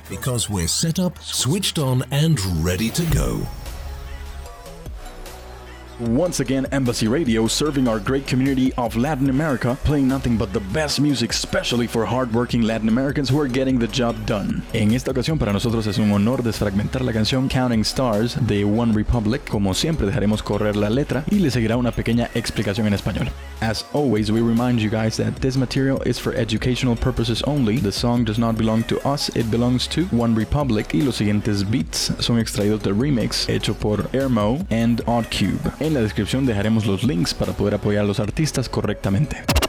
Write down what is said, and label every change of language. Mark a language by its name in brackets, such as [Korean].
[English] because we're set up, switched on, and ready to go. Once again, Embassy Radio, serving our great community of Latin America, playing nothing but the best music, especially for hardworking Latin Americans who are getting the job done. [Spanish] En esta ocasión, para nosotros es un honor desfragmentar la canción Counting Stars de One Republic. Como siempre, dejaremos correr la letra y le seguirá una pequeña explicación en español. [English] As always, we remind you guys that this material is for educational purposes only. The song does not belong to us, it belongs to One Republic. [Spanish] Y los siguientes beats son extraídos del remix hecho por Airmo and Oddcube. En la descripción dejaremos los links para poder apoyar a los artistas correctamente.